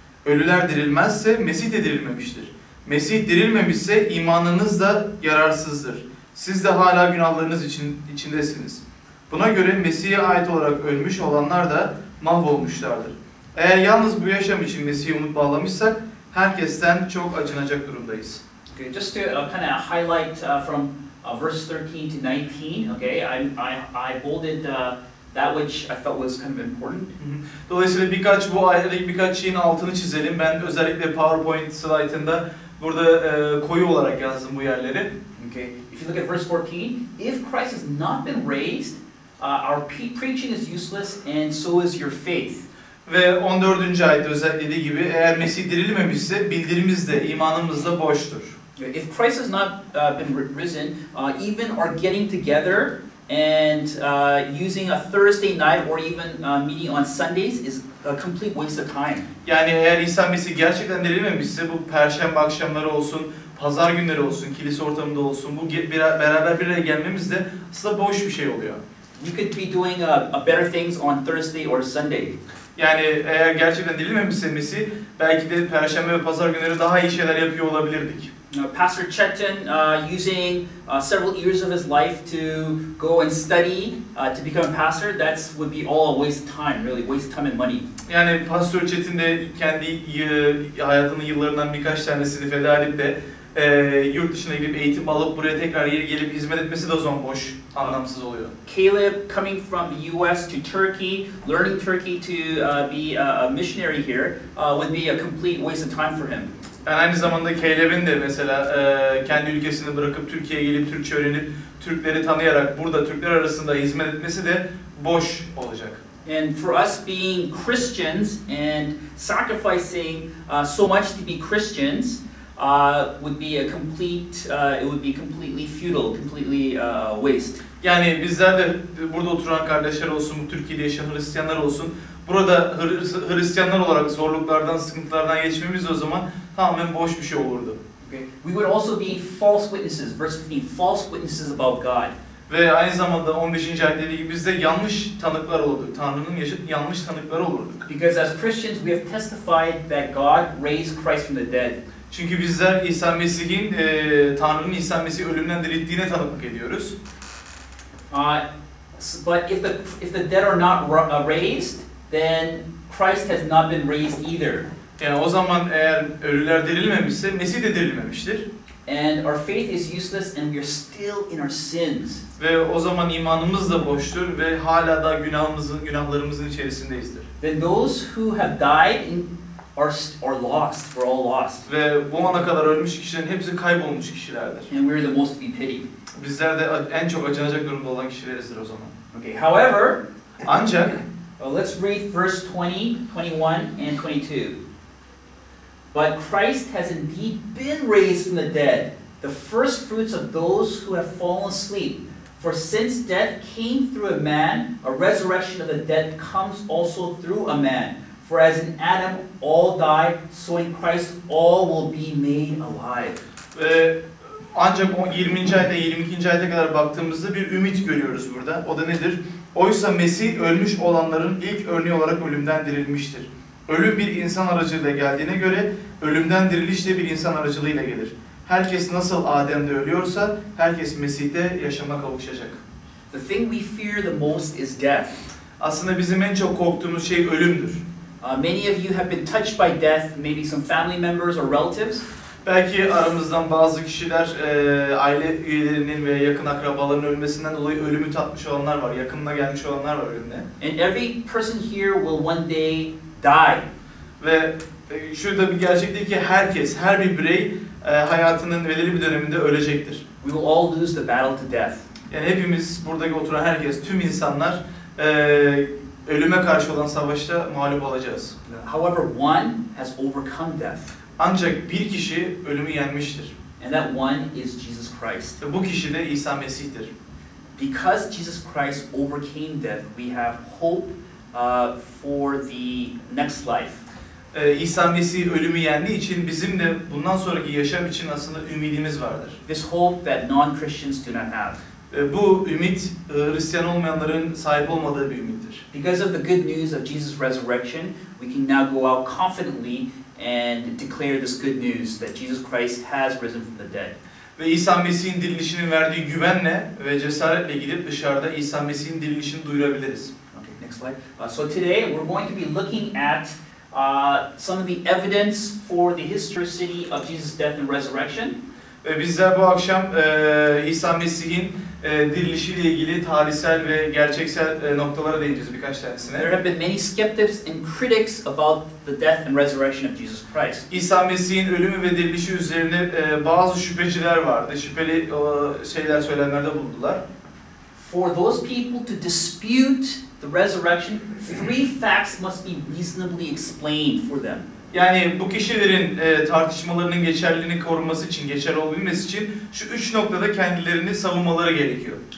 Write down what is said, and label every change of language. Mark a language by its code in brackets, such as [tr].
[tr] Ölüler dirilmezse, Mesih de dirilmemiştir. Mesih dirilmemişse, imanınız da yararsızdır. Siz de hala günahlarınız içindesiniz. Buna göre Mesih'e ait olarak ölmüş olanlar da mahvolmuşlardır. Eğer yalnız bu yaşam için Mesih'i umut bağlamışsak, herkesten çok acınacak durumdayız. [en] Okay, just to kind of highlight from... verse 13 to 19. Okay, I bolded that which I felt was kind of important. [tr] Dolayısıyla birkaç bu ayetlik birkaç şeyin altını çizelim. Ben özellikle PowerPoint slaytında burada koyu olarak yazdım bu yerleri. [en] Okay. If you look at verse 14, if Christ has not been raised, our preaching is useless, and so is your faith. [tr] Ve 14. ayette özellikle dediği gibi, eğer Mesih dirilmemişse bildirimiz de imanımız da boştur. [en] If Christ has not been risen, even our getting together And using a Thursday night or even meeting on Sundays is a complete waste of time. [tr] Yani eğer insan Mesih gerçekten dirilmemişse bu Perşembe akşamları olsun, Pazar günleri olsun, kilise ortamında olsun, bu beraber bir araya gelmemiz de aslında boş bir şey oluyor. [en] You could be doing a better things on Thursday or Sunday. [tr] Yani eğer gerçekten dirilmemişse Mesih, belki de Perşembe ve Pazar günleri daha iyi şeyler yapıyor olabilirdik. [en] Pastor Chetan using several years of his life to go and study to become a pastor, that would be all a waste of time, really, waste of time and money. [tr] Yani Pastor Chetan de kendi hayatının yıllarından birkaç tanesini feda edip de yurt dışına gidip eğitim alıp buraya tekrar geri gelip hizmet etmesi de zomboş, anlamsız oluyor. [en] Caleb coming from the US to Turkey, learning Turkey to be a missionary here would be a complete waste of time for him. [tr] Yani aynı zamanda Caleb'in de mesela kendi ülkesini bırakıp Türkiye'ye gelip Türkçe öğrenip Türkleri tanıyarak burada Türkler arasında hizmet etmesi de boş olacak. [en] And for us being Christians and sacrificing so much to be Christians would be a complete it would be completely futile, completely waste. [tr] Yani bizler de burada oturan kardeşler olsun, Türkiye'de yaşayan Hristiyanlar olsun, burada Hristiyanlar olarak zorluklardan, sıkıntılardan geçmemiz o zaman tamamen boş bir şey olurdu. [en] Okay. We would also be false witnesses, verse 15, false witnesses about God. [tr] Ve aynı zamanda 15. ayet dediği gibi biz de yanlış tanıklar olurduk. Tanrı'nın yanlış tanıkları olurduk. [en] Because as Christians we have testified that God raised Christ from the dead. [tr] Çünkü bizler İsa Mesih'in Tanrı'nın İsa Mesih'i ölümden dirilttiğine tanıklık ediyoruz. [en] But if the dead are not raised, then Christ has not been raised either. [tr] Yani o zaman eğer ölüler dirilmemişse Mesih de dirilmemiştir. [en] And our faith is useless and we are still in our sins. [tr] Ve o zaman imanımız da boştur ve hala da günahlarımızın içerisindeyizdir. [en] Then those who have died are lost, we're all lost. [tr] Ve bu ana kadar ölmüş kişilerin hepsi kaybolmuş kişilerdir. [en] And we're the most to be pitied. [tr] Bizler de en çok acınacak durumda olan kişilerizdir o zaman. [en] Okay. However, [tr] ancak [en] let's read verse 20, 21 and 22. But Christ has indeed been raised from the dead, the first fruits of those who have fallen asleep. For since death came through a man, a resurrection of the dead comes also through a man. For as in Adam all die, so in Christ all will be made alive. [tr] Ve ancak 20. ayete 22. ayete kadar baktığımızda bir ümit görüyoruz burada. O da nedir? Oysa Mesih ölmüş olanların ilk örneği olarak ölümden dirilmiştir. Ölüm bir insan aracılığıyla geldiğine göre ölümden diriliş de bir insan aracılığıyla gelir. Herkes nasıl Adem'de ölüyorsa herkes Mesih'te yaşama kavuşacak. [en] The thing we fear the most is death. [tr] Aslında bizim en çok korktuğumuz şey ölümdür. [en] Many of you have been touched by death, maybe some family members or relatives. [tr] Belki aramızdan bazı kişiler aile üyelerinin veya yakın akrabalarının ölmesinden dolayı ölümü tatmış olanlar var, yakınına gelmiş olanlar var ölümde. [en] And every person here will one day die. [tr] Ve şurada bir gerçek değil ki herkes, her bir birey hayatının belirli bir döneminde ölecektir. [en] We will all lose the battle to death. [tr] Yani hepimiz, buradaki oturan herkes, tüm insanlar ölüme karşı olan savaşta mağlup olacağız. [en] However, one has overcome death. [tr] Ancak bir kişi ölümü yenmiştir. [en] And that one is Jesus Christ. [tr] Ve bu kişi de İsa Mesih'tir. [en] Because Jesus Christ overcame death, we have hope for the next life. [tr] İsa Mesih ölümü yendiği için bizim de bundan sonraki yaşam için aslında ümidimiz vardır. [en] This hope that non-Christians do not have. [tr] Bu ümit Hristiyan olmayanların sahip olmadığı bir ümittir. [en] Because of the good news of Jesus' resurrection, we can now go out confidently and declare this good news that Jesus Christ has risen from the dead. [tr] Ve İsa Mesih'in dirilişinin verdiği güvenle ve cesaretle gidip dışarıda İsa Mesih'in dirilişini duyurabiliriz. [en] Okay, next slide. So today we're going to be looking at some of the evidence for the historicity of Jesus' death and resurrection. [tr] Ve bizler bu akşam İsa Mesih'in dirilişiyle ilgili tarihsel ve gerçeksel noktalara değineceğiz birkaç tanesine. [en] There have been many skeptics and critics about the death and resurrection of Jesus Christ. [tr] İsa Mesih'in ölümü ve dirilişi üzerine bazı şüpheciler vardı. Şüpheli şeyler söylenenlerde bulundular. [en] For those people to dispute the resurrection, three facts must be reasonably explained for them. [tr] Yani bu kişilerin tartışmalarının geçerliliğini koruması için, geçerli olabilmesi için şu üç noktada kendilerini savunmaları gerekiyor.